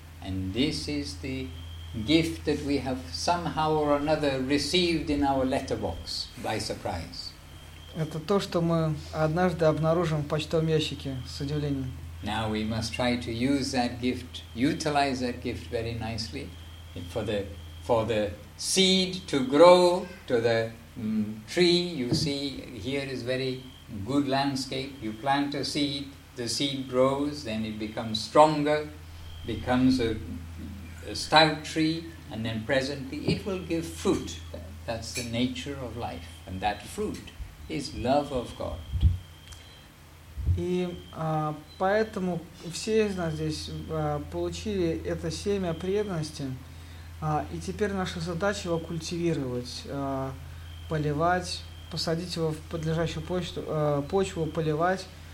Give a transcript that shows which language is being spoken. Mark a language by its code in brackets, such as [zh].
[en] And this is the gift that we have somehow or another received in our letterbox by surprise. [ru] Это то, что мы однажды обнаружим в почтовом ящике с удивлением. [en] Now we must try to use that gift, utilize that gift very nicely, for the seed to grow to the tree. You see, here is very good landscape. You plant a seed, the seed grows, then it becomes stronger, becomes a stout tree, and then presently it will give fruit. That's the nature of life, and that fruit is love of God. [ru] И поэтому все из нас здесь получили это семя преданности, и теперь наша задача его культивировать, поливать, посадить его в подлежащую почву, поливать.